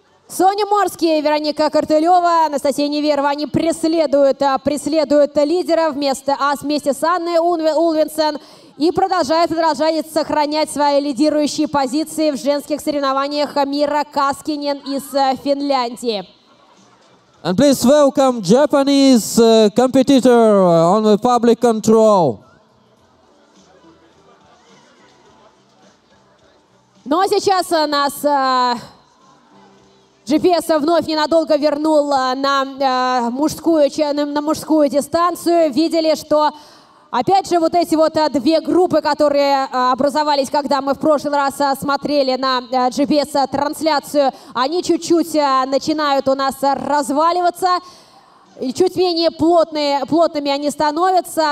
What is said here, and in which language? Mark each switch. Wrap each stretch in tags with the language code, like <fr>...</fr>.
<ru>Соня Морский, Вероника Картылева, Анастасия Неверова, они преследуют лидера вместе с Анной Ульвенсен и продолжают сохранять свои лидирующие позиции в женских соревнованиях Мира Каскинен из Финляндии.</ru> <en>And please welcome Japanese competitor on the public control.</en> <ru>Но сейчас нас GPS вновь ненадолго вернул на мужскую дистанцию. Видели, что опять же, вот эти вот две группы, которые образовались, когда мы в прошлый раз смотрели на GPS-трансляцию, они чуть-чуть начинают у нас разваливаться, чуть менее плотными они становятся.</ru>